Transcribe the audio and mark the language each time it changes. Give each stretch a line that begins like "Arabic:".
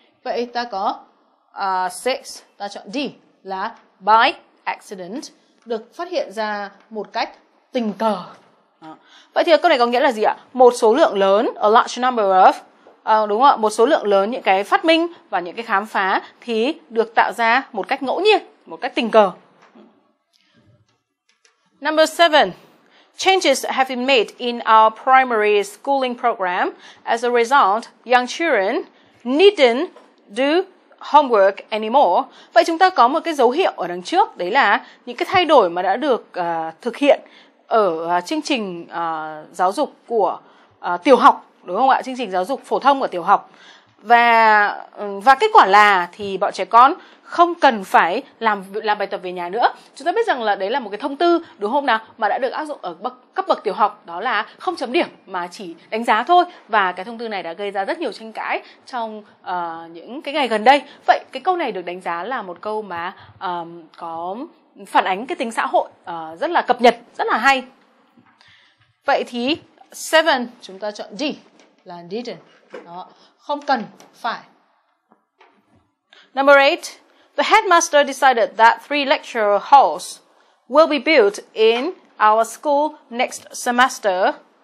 Vietnamese: Vậy ta có 6, ta chọn D là
English: by accident,
Vietnamese: được phát hiện ra một cách tình cờ. Vậy thì câu này có nghĩa là gì ạ? Một số lượng lớn,
English: a large number of,
Vietnamese: đúng không ạ? Một số lượng lớn những cái phát minh và những cái khám phá thì được tạo ra một cách ngẫu nhiên, một cách tình cờ.
English: Number 7. Changes have been made in our primary schooling program. As a result, young children needn't do homework anymore.
Vietnamese: Vậy chúng ta có một cái dấu hiệu ở đằng trước, đấy là những cái thay đổi mà đã được thực hiện ở chương trình giáo dục của tiểu học, đúng không ạ? Chương trình giáo dục phổ thông của tiểu học. Và kết quả là thì bọn trẻ con không cần phải làm bài tập về nhà nữa. Chúng ta biết rằng là đấy là một cái thông tư, đúng không nào, mà đã được áp dụng ở cấp bậc tiểu học, đó là không chấm điểm mà chỉ đánh giá thôi. Và cái thông tư này đã gây ra rất nhiều tranh cãi trong những cái ngày gần đây. Vậy cái câu này được đánh giá là một câu mà có phản ánh cái tính xã hội rất là cập nhật, rất là hay. Vậy thì 7 chúng ta chọn D là didn't. Đó, không cần phải.
English: Number 8. The headmaster decided that 3 lecture halls will be built in our school next semester.